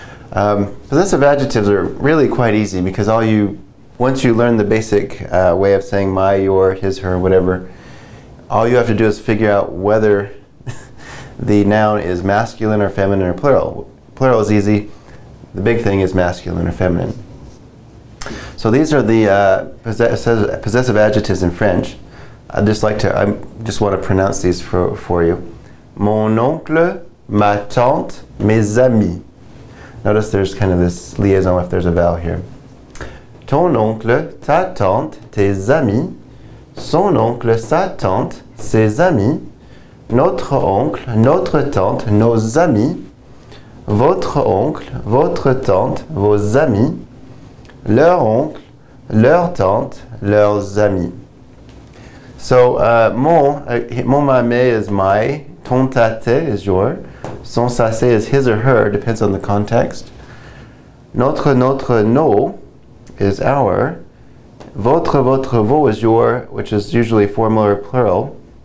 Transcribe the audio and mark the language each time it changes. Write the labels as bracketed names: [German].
[English] Possessive adjectives are really quite easy because once you learn the basic way of saying my, your, his, her, whatever, all you have to do is figure out whether the noun is masculine or feminine or plural. Plural is easy. The big thing is masculine or feminine. So these are the possessive adjectives in French. I just want to pronounce these for you. [French] Mon oncle, ma tante, mes amis. [English] Notice there's kind of this liaison if there's a vowel here. [French] Ton oncle, ta tante, tes amis. Son oncle, sa tante, ses amis. Notre oncle, notre tante, nos amis. Votre oncle, votre tante, vos amis. Leur oncle, leur tante, leurs amis. [English] So, mon ma is my, ton ta te is your, son sa se is his or her, depends on the context. Notre, notre, no is our. Votre, votre, vos is your, which is usually formal or plural.